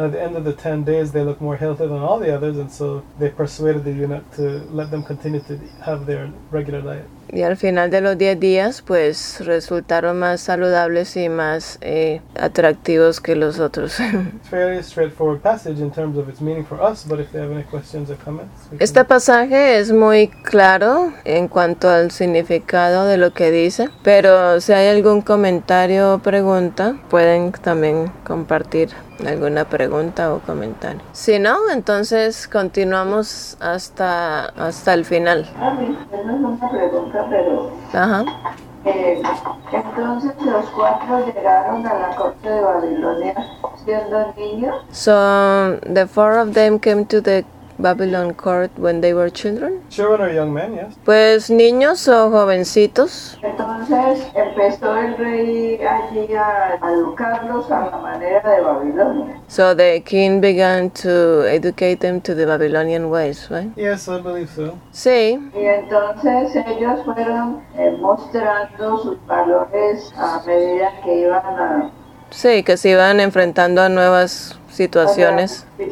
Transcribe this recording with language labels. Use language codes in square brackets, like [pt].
[en] And at the end of the 10 days they look more healthy than all the others and so they persuaded the eunuch to let them continue to have their regular diet. [es] Y al final de los 10 días pues resultaron más saludables y más atractivos que los otros. [en] It's fairly straightforward passage in terms of its meaning for us, but if they have any questions or comments. [es] Este pasaje es muy claro en cuanto al significado de lo que dice, pero si hay algún comentario o pregunta, pueden también compartir alguna pregunta o comentario. Si no, entonces continuamos hasta el final. Pero ajá. Entonces los cuatro llegaron a la corte de Babilonia siendo niños. [en] So the four of them came to the Babylon court when they were children. Children or young men, yes. [es] Pues niños o jovencitos. Entonces empezó el rey allí a educarlos a la manera de Babilonia. [en] So the king began to educate them to the Babylonian ways, right? Yes, I believe so. [es] Sí. Y entonces ellos fueron mostrando sus valores a medida que iban a... Sí, que se iban enfrentando a nuevas situaciones.